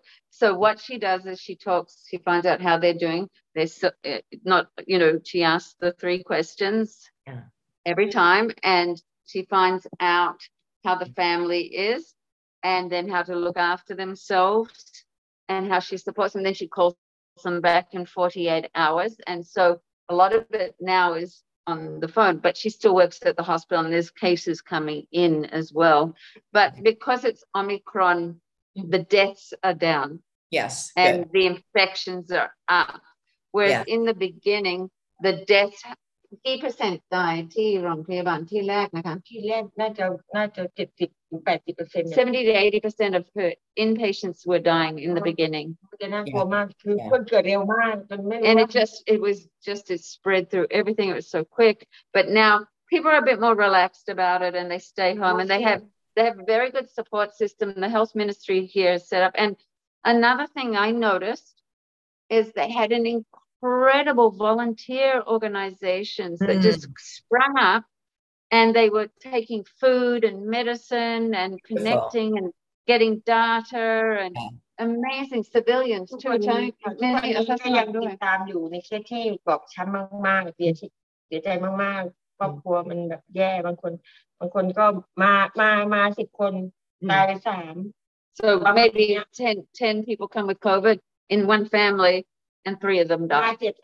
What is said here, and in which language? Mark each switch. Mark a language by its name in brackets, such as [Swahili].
[English] So what she does is she talks, she finds out how they're doing. They're so, not, you know, she asks the three questions every time and she finds out how the family is, and then how to look after themselves, and how she supports them. Then she calls them back in 48 hours. And so a lot of it now is on the phone, but she still works at the hospital, and there's cases coming in as well. But because it's Omicron, the deaths are down. Yes. And the infections are up. Whereas in the beginning, the deaths, [Thai] กี่เปอร์เซ็นต์ตายที่โรงพยาบาลที่แรกนะคะ ที่แรกน่าจะ70-80% [English] 70-80% of her inpatients were dying in the beginning and it just it spread through everything. It was so quick, but now people are a bit more relaxed about it and they stay home and they have a very good support system. The health ministry here is set up, and another thing I noticed is they had an incredible volunteer organizations that just sprung up, and they were taking food and medicine and connecting and getting data and amazing civilians too, which I think many of us are doing. [Thai] ทุกคนยังติดตามอยู่ในเช็คที่บอกช้ำมากๆเสียใจมากๆครอบครัวมันแบบแย่บางคนก็มา10คนตาย3 [English] so maybe 10 people come with COVID in one family and 3 of them died.